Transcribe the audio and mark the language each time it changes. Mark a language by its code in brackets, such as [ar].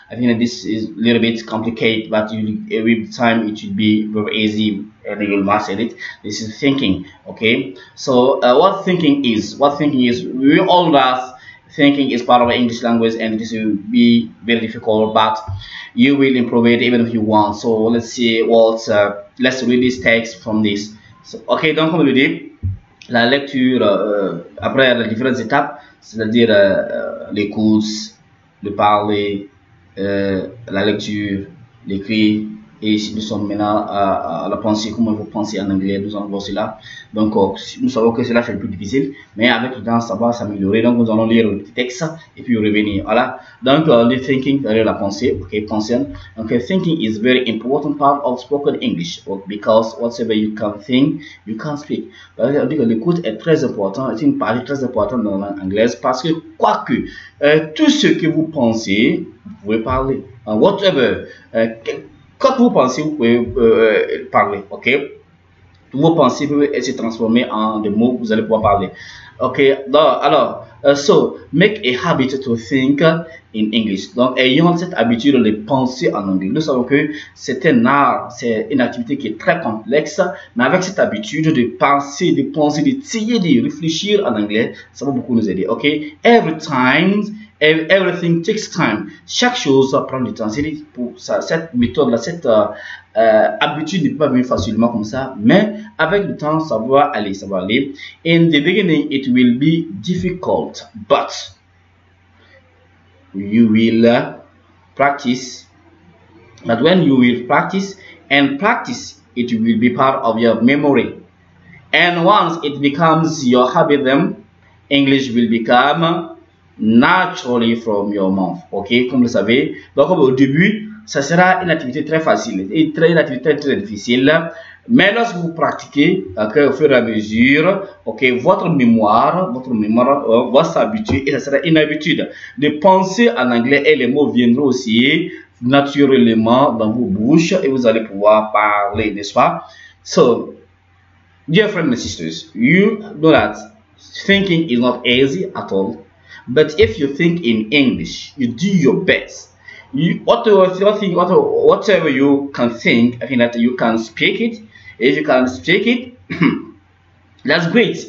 [en] I think that this is a little bit complicated, but every time it should be very easy and you will master it. This is thinking. Okay. So what thinking is? What thinking is? We all know thinking is part of the English language, and this will be very difficult, but you will improve it even if you want. So let's see what. Let's read this text from this. [fr] So, ok, donc comme je l'ai dit, la lecture, après les différentes étapes, c'est-à-dire l'écoute, le parler, la lecture, l'écrit, et ici nous sommes maintenant à la pensée, comment vous pensez en anglais, nous allons voir cela. Donc nous savons que cela fait le plus difficile, mais avec le temps ça va s'améliorer. Donc nous allons lire le petit texte et puis revenir. Voilà. Donc le thinking, c'est-à-dire la pensée, ok, pensée. Donc le [en] thinking is a very important part of spoken English, because whatever you can think, you can speak. [fr] On dit que l'écoute est très importante, c'est une partie très importante dans la langue anglaise, parce que quoi que, tout ce que vous pensez, vous pouvez parler. Whatever. Quand vous pensez, vous pouvez parler, ok? Toutes vos pensées peuvent se transformer en des mots que vous allez pouvoir parler. [en] Ok, so, make a habit to think in English. [fr] Donc, ayant cette habitude de penser en anglais. Nous savons que c'est un art, c'est une activité qui est très complexe, mais avec cette habitude de penser, d'essayer de réfléchir en anglais, ça va beaucoup nous aider. [en] Ok, everything takes time. [fr] Chaque chose prend du temps. Pour ça, cette méthode-là, cette habitude n'est pas venue facilement comme ça, mais avec le temps, ça va aller, ça va aller. [en] In the beginning, it will be difficult, but you will practice. But when you will practice and practice, it will be part of your memory. And once it becomes your habit, then English will become naturally from your mouth. [fr] Ok, comme vous le savez, donc au début ça sera une activité très facile et très une activité très, très difficile, mais lorsque vous pratiquez, okay, au fur et à mesure, ok, votre mémoire va s'habituer et ça sera une habitude de penser en anglais et les mots viendront aussi naturellement dans vos bouches et vous allez pouvoir parler, n'est-ce pas? [en] So dear friends and sisters, you know that thinking is not easy at all. But if you think in English, you do your best. Whatever you can think, I think that you can speak it. If you can speak it, that's great.